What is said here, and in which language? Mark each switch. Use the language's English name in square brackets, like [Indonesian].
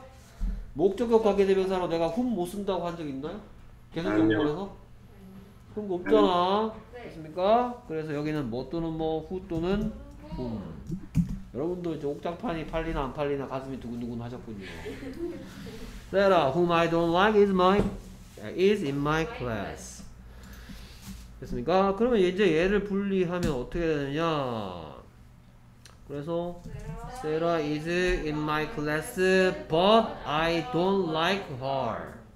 [Korean] 목적 격관계 대명사로 내가 훔 못 쓴다고 한 적 있나요? 계속 연결해서? 그런 거 없잖아. 됐습니까? 네. 그래서 여기는 뭐 또는 뭐, 후 또는 훔. 여러분도 이제 옥장판이 팔리나 안 팔리나 가슴이 두근두근 하셨군요. [English] Sarah, whom I don't like is in my class. [Korean] 됐습니까? 그러면 이제 얘를 분리하면 어떻게 되느냐. 그래서 [English] Sarah is in my class, but I don't like her.